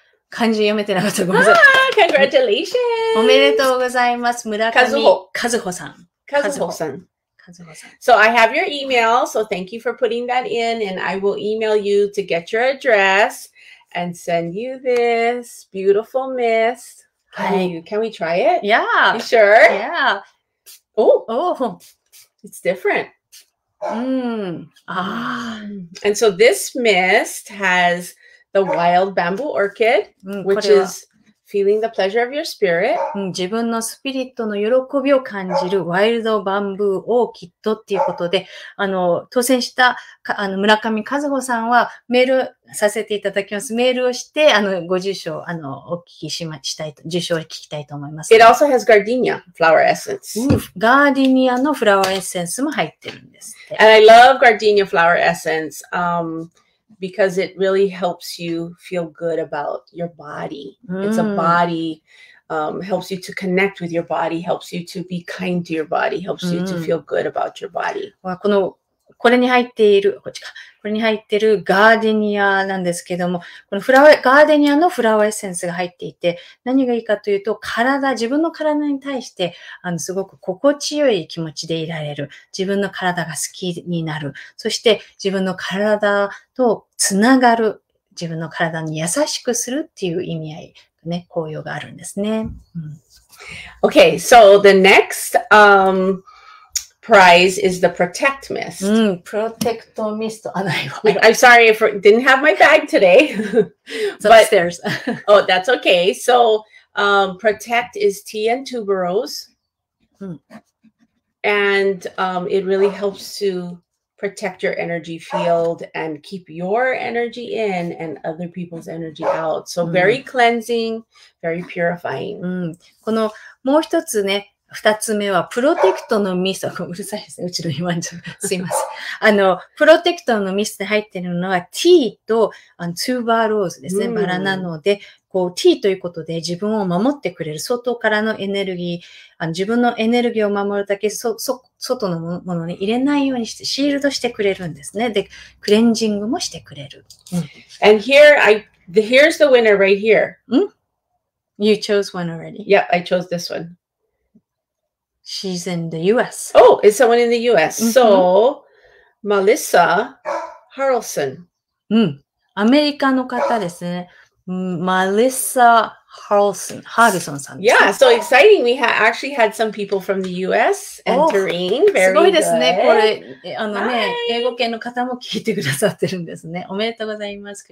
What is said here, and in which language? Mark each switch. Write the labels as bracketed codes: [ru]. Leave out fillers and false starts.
[ja] 漢字読めてなかった。ごめんな [en] さい。Congratulations! [ja] おめでとうございます。村上和穂さん。カズホさん。カズホさん。カズホさん。 [en] So I have your email, so thank you for putting that in, and I will email you to get your address and send you this beautiful mist. Can we try it? Yeah. You sure? Yeah. Oh. It's different. And so this mist has the wild bamboo orchid, which is feeling the pleasure of your spirit. [ja] 自分のスピリットの喜びを感じるワイルドバンブーオーキッドっていうことで、当選した村上和穂さんはメールさせていただきます。メールをして、ご受賞、お聞きしましたいと、受賞を聞きたいと思います。 [en] It also has gardenia, flower essence.、 [ja] ガーディニアのフラワーエッセンスも入ってるんです。 [en] And I love gardenia flower essence, because it really helps you feel good about your body.、It's a body, helps you to connect with your body, helps you to be kind to your body, helps you to feel good about your body. [ja] このこれに入っているこっちかこれに入ってるガーデニアなんですけども、このフラワーガーデニアのフラワーエッセンスが入っていて、何がいいかというと、体、自分の体に対してすごく心地よい気持ちでいられる、自分の体が好きになる、そして自分の体とつながる、自分の体に優しくするっていう意味合いね、効用があるんですね。うん、 [en] okay, so the next prize is the protect mist. Protect mist. I'm sorry, I didn't have my bag today. It's upstairs. Oh, that's okay. So protect is tea and tuberose. And it really helps to protect your energy field and keep your energy in and other people's energy out. So very cleansing, very purifying. [ja] このもう一つね、二つ目はプロテクトのミスト。うるさいですね。うちの今んじゃ。すいません。プロテクトのミストに入っているのはティーとツーバーローズですね。バラなので、こうティーということで自分を守ってくれる外からのエネルギー、自分のエネルギーを守るだけ外のものに入れないようにしてシールドしてくれるんですね。で、クレンジングもしてくれる。 [en] And here, here's the winner right here. You chose one already. Yep, I chose this one. She's in the U.S. Oh, is someone in the U.S.? Mm-hmm. So, Melissa Harrelson. [ja] アメリカの方ですね。Melissa Harrelson. Harrelson さん。 [en] Yeah, so exciting. We actually had some people from the U.S. entering. Oh, very good. [ja] すごいですね。これ、ね、英語圏の方も聞いてくださってるんですね。おめでとうございます。